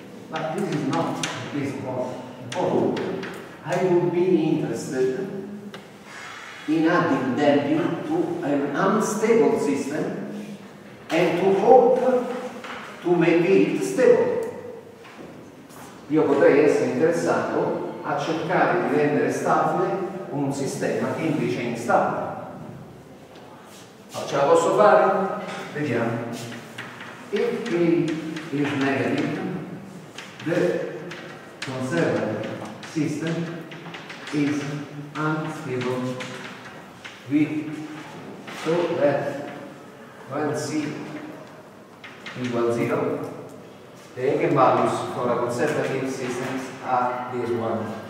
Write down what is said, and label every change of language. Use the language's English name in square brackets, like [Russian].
[English] But this is not the case of both. I would be interested in adding damping to an unstable system and to hope to make it stable. [Italian] Io potrei essere interessato a cercare di rendere stabile un sistema che invece è instabile. Ma ce la posso fare? Vediamo. [English] If P is negative, the conservative system is unstable. We saw that when C equals 0, the eigenvalues for a conservative system are this one.